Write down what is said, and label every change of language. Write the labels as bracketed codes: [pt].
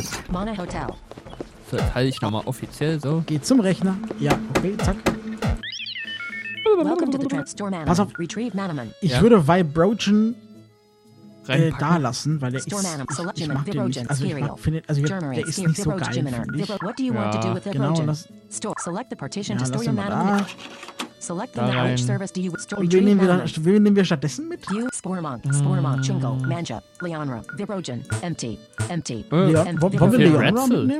[de] Mana Hotel. So, jetzt halte ich nochmal offiziell so. Geh zum Rechner. Ja, okay, zack. [en] Welcome to the Dread Store Manaman. [de] Pass auf. [en] Retrieve Manaman. [de] Ich würde Vibrogen da lassen, weil der Store ist. Ich mag den nicht. Der ist nicht so geil. [en] What do you want to do with [de] genau, das. [en] Select the partition to store your Manaman. Select the knowledge service. Do you store your Manaman? [de] Wen nehmen wir stattdessen mit? [en] You, Spormon, Chungo, Manja, Leonra, Vibrogen, empty. [de] Wollen wir Leonra mitnehmen?